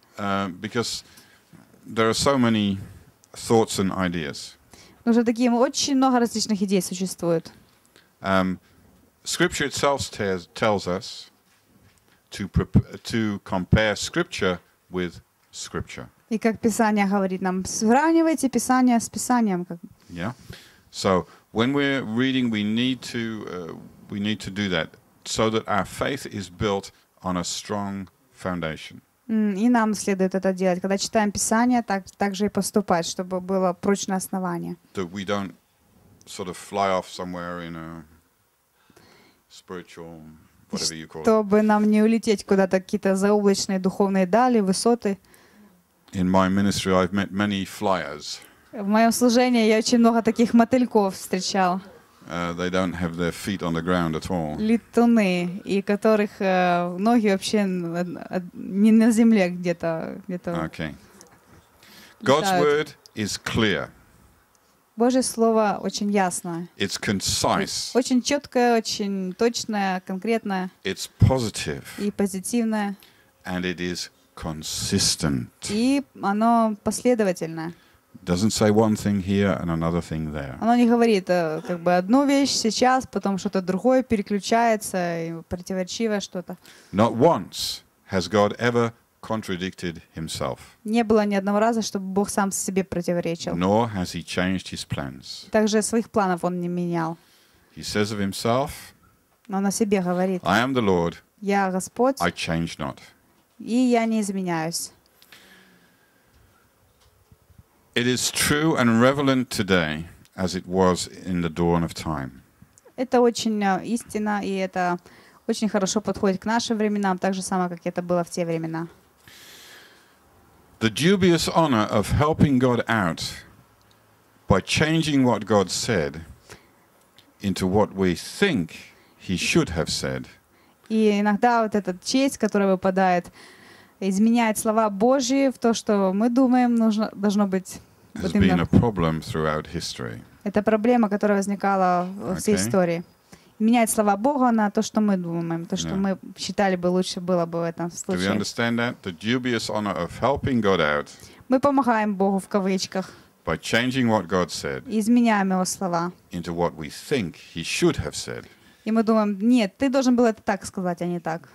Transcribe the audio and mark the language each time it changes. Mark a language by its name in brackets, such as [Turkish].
[English] Because there are so many thoughts and ideas. [Russian] Уже такие очень много различных идей существует. [English] Scripture itself tells us to compare Scripture with Scripture. [Russian] И как Писание говорит нам, сравнивайте Писание с Писанием. [English] Yeah. So when we're reading, we need to do that so that our faith is built on a strong foundation. [Russian] И нам следует это делать, когда читаем Писание, так же и поступать, чтобы было прочное основание. [English] That we don't sort of fly off somewhere in a spiritual, whatever you call it. [Russian] Чтобы нам не улететь куда-то какие-то заоблачные духовные дали, высоты. [English] In my ministry, I've met many flyers. [Russian] В моем служении я очень много таких мотыльков встречал. [English] They don't have their feet on the ground at all. [Russian] Летуны, и которых ноги вообще не на земле где-то. [English] Okay. God's word is clear. [Russian] Божье слово очень ясно. [English] It's concise. [Russian] Очень четкое, очень точное, конкретное. [English] It's positive. [Russian] И позитивное. [English] And it is consistent. [Russian] И оно последовательное. [English] Doesn't say one thing here and another thing there. [Russian] Оно не говорит как бы одну вещь сейчас, потом что-то другое переключается и противоречивое что-то. [English] Not once has God ever contradicted himself. [Russian] Не было ни одного раза, чтобы Бог сам себе противоречил. [English] Nor has he changed his plans. [Russian] Также своих планов он не менял. [English] He says of himself. [Russian] Он о себе говорит. [English] I am the Lord. [Russian] Я Господь. [English] I change not. [Russian] И я не изменяюсь. [English] It is true and relevant today as it was in the dawn of time. [Russian] Это очень истина, и это очень хорошо подходит к нашим временам, так же само, как это было в те времена. [English] The dubious honor of helping God out by changing what God said into what we think he should have said. [Russian] И иногда вот эта честь, которая выпадает, изменяет слова Божьи в то, что мы думаем, должно быть. [English] Has been a problem throughout history. [Russian] Это проблема, которая возникала во всей истории. Менять слова Бога на то, что мы думаем, то, что мы считали бы лучше было бы в этом случае. [English] Do we understand that? The dubious honor of helping God out. [Russian] Мы помогаем Богу в кавычках. [English] By changing what God said. [Russian] Изменяем его слова. [English] Into what we think he should have said. [Russian] И мы думаем, нет, ты должен был это так сказать, а не так.